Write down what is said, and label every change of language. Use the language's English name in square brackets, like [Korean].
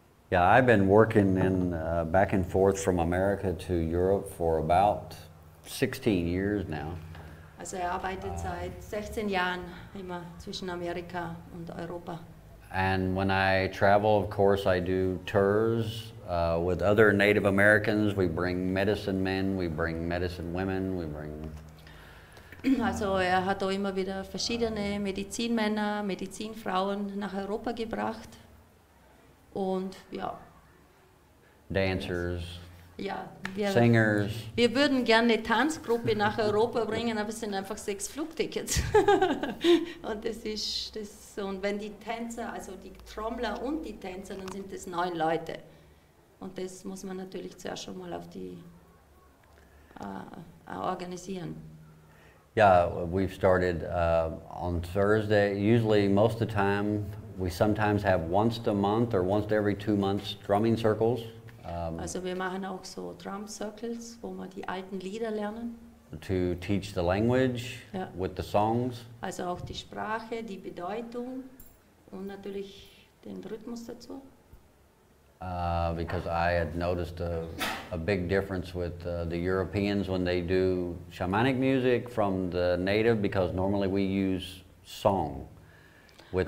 [English] Yeah, I've been working in back and forth from America to Europe for about 16 years now. [German] Also er arbeitet seit 16 Jahren immer zwischen Amerika und Europa. [English] And when I travel, of course, I do tours with other Native Americans. We bring medicine men, we bring medicine women, we bring... [German] Also er hat auch immer wieder verschiedene Medizinmänner, Medizinfrauen nach Europa gebracht. Und ja. [English] Dancers, [German] ja, [English] singers. [German] Wir würden gerne eine Tanzgruppe nach Europa bringen, aber es sind einfach 6 Flugtickets. Und das ist das so. Und wenn die Tänzer, also die Trommler und die Tänzer, dann sind das 9 Leute. Und das muss man natürlich zuerst schon mal auf die organisieren. [English] Ja, yeah, we've started on Thursday, usually most of the time. We sometimes have once a month or once every 2 months drumming circles. [German] Also wir machen auch so drum circles, wo wir die alten Lieder lernen. [English] To teach the language, ja, with the songs. [German] Also auch die Sprache, die Bedeutung und natürlich den Rhythmus dazu. [English] Because I had noticed a big difference with the Europeans when they do shamanic music from the native, because normally we use song with